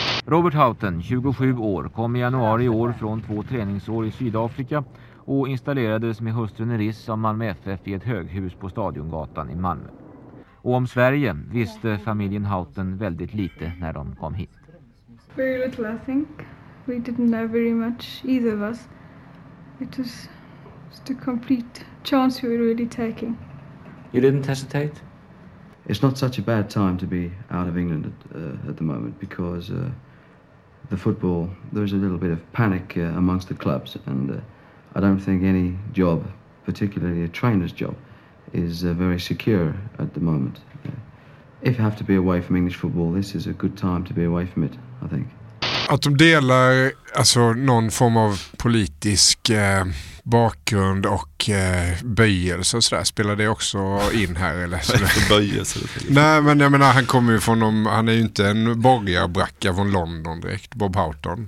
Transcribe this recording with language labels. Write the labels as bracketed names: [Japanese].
[Swedish] Robert Houghton, 27 år, kom i januari i år från två träningsår i Sydafrika och installerades med hustrun Eris av Malmö FF i ett höghus på Stadiongatan i Malmö. Och om Sverige visste familjen Houghton väldigt lite när de kom hit. [English] Very little, I think. We didn't know very much, either of us. It was just a complete chance we were really taking. You didn't hesitate? It's not such a bad time to be out of England at the moment, because the football, there's a little bit of panic amongst the clubs, and I don't think any job, particularly a trainer's job, is very secure at the moment. If you have to be away from English football, this is a good time to be away from it, I think. [Swedish] Att de delar alltså någon form av politisk bakgrund och böjelse och sådär, spelar det också in här eller? Böjelse? Nej, men jag menar, han kommer ju från han är ju inte en borgarbracka från London direkt, Bob Houghton.